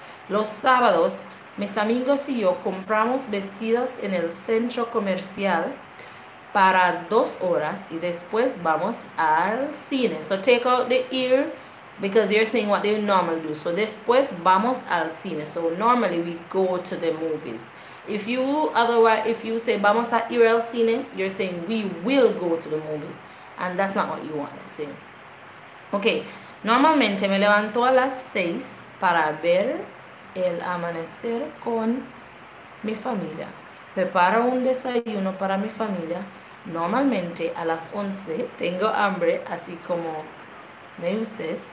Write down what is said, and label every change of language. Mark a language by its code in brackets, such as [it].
[es] Los sábados, mis amigos y yo compramos vestidos en el centro comercial para 2 horas y después vamos al cine. [en] So take out the ear because you're saying what they normally do. So [es] después vamos al cine. [en] So normally we go to the movies. If you otherwise, if you say [es] vamos a ir al cine, [en] you're saying we will go to the movies. And that's not what you want to say. [es] Okay, normalmente me levanto a las 6 para ver el amanecer con mi familia. Preparo un desayuno para mi familia. Normalmente a las 11 tengo hambre, así como Neuses.